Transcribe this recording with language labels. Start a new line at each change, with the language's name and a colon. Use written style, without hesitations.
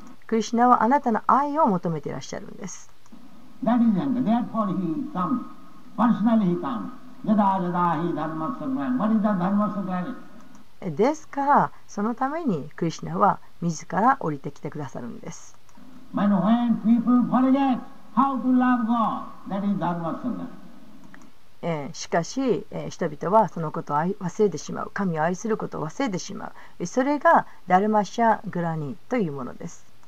Japanese: クリシナはあなたの愛を求めていらっしゃるんです。
English: That is it. Therefore he comes. Personally he comes.
Sanskrit: Jada jada hi dharma sagran.
English: What is the
Sanskrit: dharma sagran?
Japanese: ですから、そのためにクリシナは自ら降りてきてくださるんです。
English: But when people forget how to love God, that is dharma sagran.
Japanese: しかし、人々はそのことを忘れてしまう、神を愛することを忘れてしまう、それがダルマシャグラニーというものです。